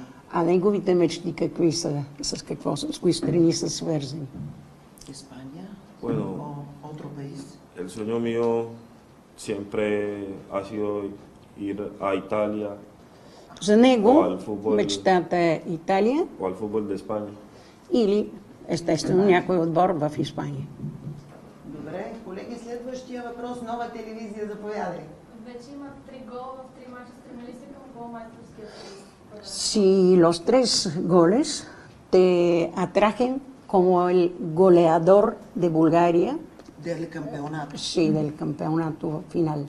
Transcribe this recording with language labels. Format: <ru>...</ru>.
<bg>А неговите мечти какви са, с какво, с кои страни са свързани? Испания?</bg> <es>Bueno, otro país. El sueño mío siempre ha sido ir a Italia.</es> <bg>За него мечтата е Италия.</bg> <es>O al fútbol de España.</es> <bg>Или естествено някой отбор в Испания. Добре, колеги, следващия въпрос. Нова телевизия, заповядай. Вече има 3 гола в 3 мача, стремили се към полумайсторския приз.</bg> <es>Si los 3 goles te atrajen como el goleador de Bulgaria. Del campeonato. Sí, del campeonato final.</es>